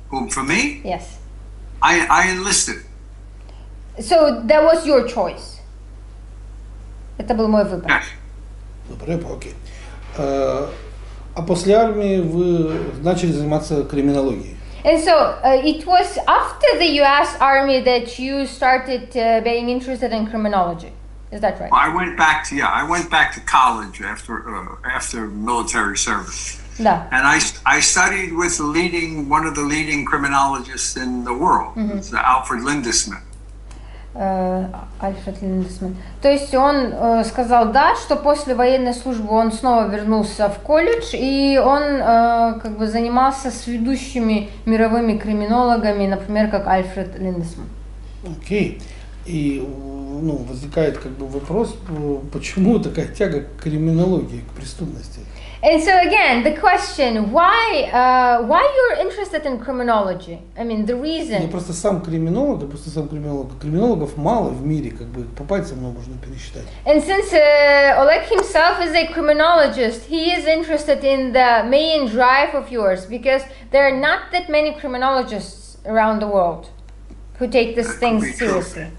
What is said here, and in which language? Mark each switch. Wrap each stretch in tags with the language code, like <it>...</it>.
<en>For me? Yes. I enlisted. So that was your choice.</en> <ru>Это был мой выбор. Добрый, окей. А после армии вы начали заниматься криминологией.</ru> <en>And so it was after the US Army that you started being interested in criminology. Is that right? I went back to college after military service.</en> <ru>Да.</ru> <en>And I studied with one of the leading criminologists in the world. Mm-hmm. It's Alfred Lindesman.</en> <ru>Альфред Линдесман. То есть он сказал да, что после военной службы он снова вернулся в колледж, и он как бы занимался с ведущими мировыми криминологами, например, как Альфред Линдесман. Окей. И возникает как бы вопрос, почему такая тяга к криминологии, к преступности?</ru> <en>And so again, the question, why you're interested in criminology? I mean, the reason.</en> <ru>Я просто сам криминолог, Криминологов мало в мире, как бы по пальцам можно пересчитать.</ru> <en>And since Oleg himself is a criminologist, he is interested in the main drive of yours, because there are not that many criminologists around the world who take this thing seriously.</en>